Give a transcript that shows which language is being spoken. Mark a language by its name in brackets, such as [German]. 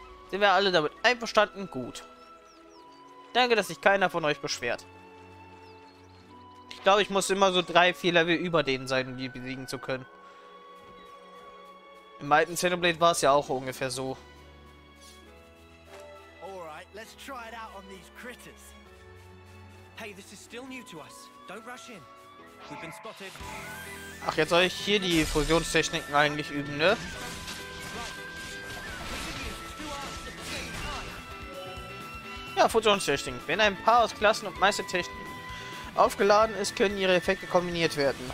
[German] Sind wir alle damit einverstanden? Gut. Danke, dass sich keiner von euch beschwert. Ich glaube, ich muss immer so 3-4 Level über denen sein, um die besiegen zu können. Im alten Xenoblade war es ja auch ungefähr so. [English] Alright, let's try it out on these critters. Hey, this is still new to us. Don't rush in. We've been spotted. [German] Ach, jetzt soll ich hier die Fusionstechniken eigentlich üben, ne? Ja, Fusionstechniken. Wenn ein paar aus Klassen und Meistertechniken aufgeladen ist, können ihre Effekte kombiniert werden.